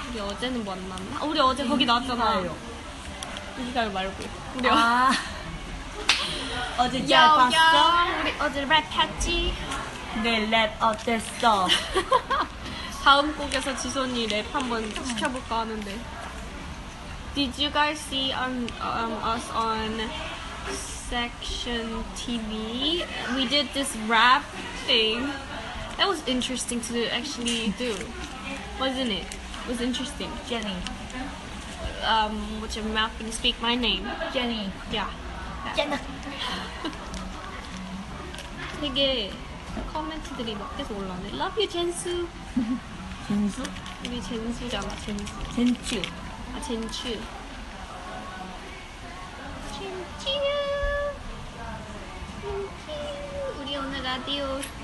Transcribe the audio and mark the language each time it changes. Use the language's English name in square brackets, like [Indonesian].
[Korean] 우리 어제는 뭐 안 나왔나? 아, 우리 어제 거기 나왔잖아. 이기가요 말고. 우리 아. 어제 잘 봤어? 야, 우리 어제 랩했지? 내 랩 어땠어? 다음 곡에서 지선이 랩 한번 시켜볼까 하는데. [English] Did you guys see us on Section TV? We did this rap thing. That was interesting to actually do, wasn't it? It was interesting. Jenny. What's your mouth when you speak my name? Jenny. Yeah. Jenna. [Korean] 되게 코멘트들이 막 계속 올라오네. [English] Love you, 젠수. [Korean] 젠수? 우리 젠수잖아, 젠수. 젠츄. 아, 젠츄. 젠츄. 젠츄. 우리 오늘 라디오.